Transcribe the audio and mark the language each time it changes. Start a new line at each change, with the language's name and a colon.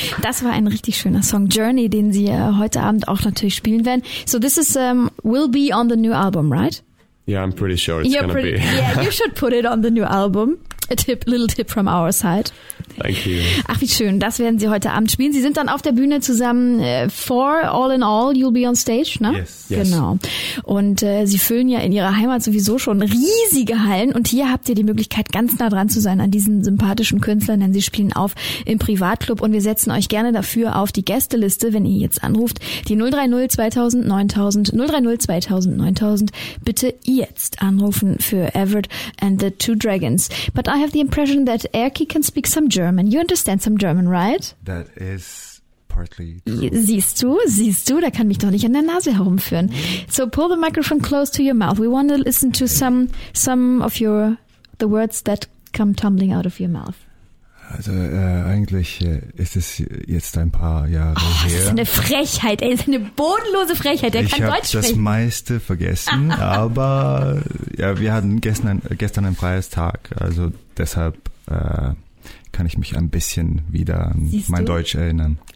German: Das war ein richtig schöner Song, Journey, den sie heute Abend auch natürlich spielen werden.
English: So this is will be on the new album, right? Yeah, I'm pretty sure it's going to be. Yeah, you should put it on the new album. A little tip from our side. Thank you.
German: Ach, wie schön. Das werden sie heute Abend spielen. Sie sind dann auf der Bühne zusammen.
English: For All in All, you'll be on stage, ne? Yes.
German: Genau. Und sie füllen ja in ihrer Heimat sowieso schon riesige Hallen. Und hier habt ihr die Möglichkeit, ganz nah dran zu sein an diesen sympathischen Künstlern, denn sie spielen auf im Privatclub. Und wir setzen euch gerne dafür auf die Gästeliste, wenn ihr jetzt anruft. Die 030 2000 9000, 030 2000 9000. Bitte jetzt anrufen für Everett and the Two Dragons.
English: But I have the impression that Erki can speak some German. You understand some German, right? That is partly true.
German: Siehst du, da kann mich doch nicht an der Nase herumführen.
English: So pull the microphone close to your mouth. We want to listen to some of the words that come tumbling out of your mouth.
German: Also eigentlich ist es jetzt ein paar Jahre her. Das ist eine Frechheit, ey, das ist eine bodenlose Frechheit. Der ich kann Deutsch sprechen. Ich habe das meiste vergessen, aber ja, wir hatten gestern ein freies Tag, also deshalb kann ich mich ein bisschen wieder an mein Deutsch erinnern.